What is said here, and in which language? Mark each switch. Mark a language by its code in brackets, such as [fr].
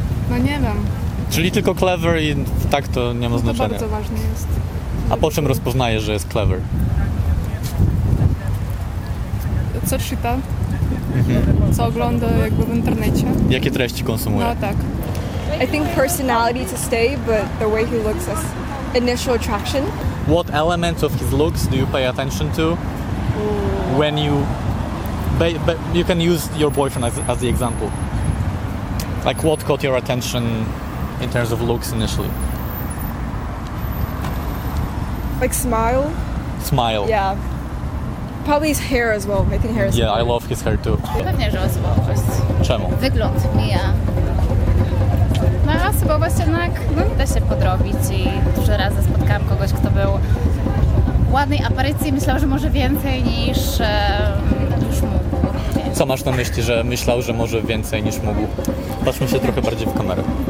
[pl] No nie wiem. Czyli tylko clever i tak to nie ma znaczenia. To bardzo ważne jest. A po czym rozpoznajesz, że jest clever? Co czyta? Co ogląda jakby w internecie? Jakie treści konsumuje? No tak. [en] I think personality to stay, but the way he looks is initial attraction. What elements of his looks do you pay attention to? When you... But you can use your boyfriend as the example. Like what caught your attention in terms of looks initially? Like smile? Smile. Yeah. Probably his hair as well. I think hair is Yeah, smile. I love his hair too. [pl] Pewnie, że osobowość. Czemu? Wygląd mija. No, osobowość jednak da się podrobić i dużo razy spotkałam kogoś, kto był w ładnej aparycji i myślał, że może więcej niż już mógł. Co masz na myśli, że myślał, że może więcej niż mógł? Patrzmy się trochę bardziej w kamerę.